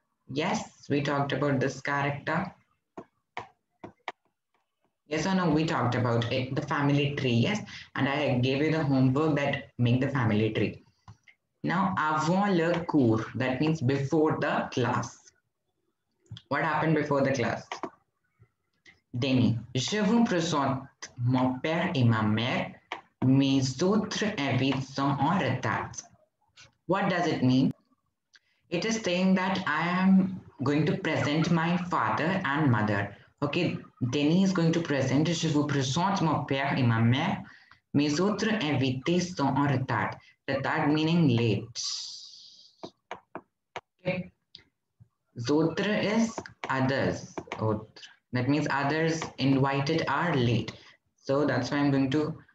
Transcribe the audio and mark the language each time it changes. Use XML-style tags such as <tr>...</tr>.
<en>Yes, we talked about this character. Yes or no, we talked about it, the family tree. Yes, and I gave you the homework that make the family tree. Now,</en> <fr>avant le cours,</fr> <en>that means before the class. What happened before the class?</en> <fr>Denis, je vous présente mon père et ma mère. Mes autres invités sont en retard.</fr> <en>What does it mean? It is saying that I am going to present my father and mother. Okay, Denis is going to present.</en> <fr>Je vous présente mon père et ma mère. Mes autres invités sont en retard. Retard</fr> <en>meaning late. Okay. Autres is others. Autres. That means others invited are late. So that's why I'm going to.</en>